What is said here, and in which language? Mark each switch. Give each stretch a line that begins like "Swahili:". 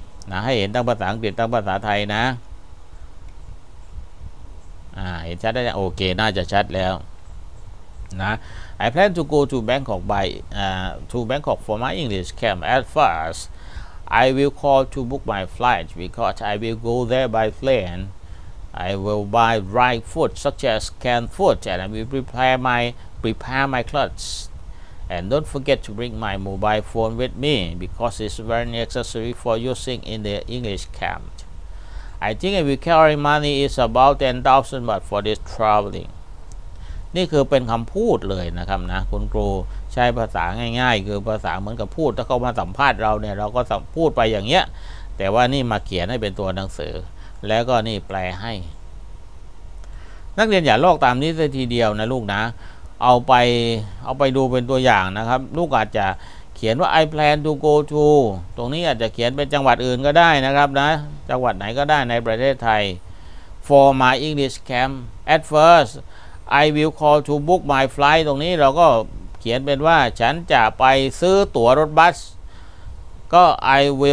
Thai: นะให้เห็นทั้งภาษาอังกฤษทั้งภาษาไทยนะเห็นชัดได้โอเคน่าจะชัดแล้วนะ
English: I plan to go to Bangkok by to Bangkok for my English camp at firstI will call to book my flight because I will go there by plane. I will buy dry food such as canned food and I will prepare my clothes. And don't forget to bring my mobile phone with me because it's very necessary for using in the English camp. I think I will carry money is about 10,000 baht for this traveling.
Thai: นี่คือเป็นคำพูดเลยนะครับนะคุณครูใช้ภาษาง่ายๆคือภาษาเหมือนกับพูดถ้าเขามาสัมภาษณ์เราเนี่ยเราก็พูดไปอย่างเงี้ยแต่ว่านี่มาเขียนให้เป็นตัวหนังสือแล้วก็นี่แปลให้ นักเรียนอย่าลอกตามนี้ซะทีเดียวนะลูกนะเอาไปดูเป็นตัวอย่างนะครับลูกอาจจะเขียนว่า
English: I plan to go to
Thai: ตรงนี้อาจจะเขียนเป็นจังหวัดอื่นก็ได้นะครับนะจังหวัดไหนก็ได้ในประเทศไทย
English: For my English camp at firstI will call to book my flight
Thai: ตรงนี้เราก็เขียนเป็นว่าฉันจะไปซื้อตั๋วรถบัสก็ I